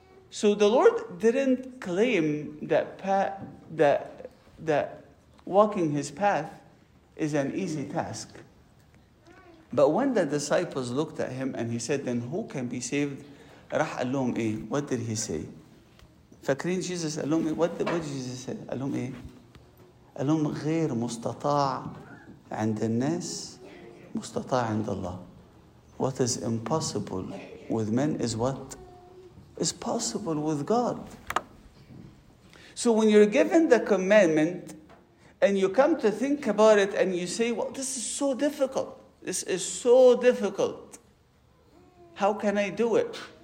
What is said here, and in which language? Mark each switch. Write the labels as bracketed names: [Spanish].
[English] So the Lord didn't claim that that walking His path is an easy task. But when the disciples looked at Him and He said, then who can be saved? [Arabic] راح قال لهم إيه? [English] What did He say? [Arabic] فاكرين Jesus قال لهم إيه? [English] What did Jesus say? [Arabic] قال لهم إيه? قال لهم غير مستطاع عند الناس مستطاع عند الله. [English] What is impossible with men is what is possible with God. So when you're given the commandment and you come to think about it and you say, well, this is so difficult. This is so difficult. How can I do it?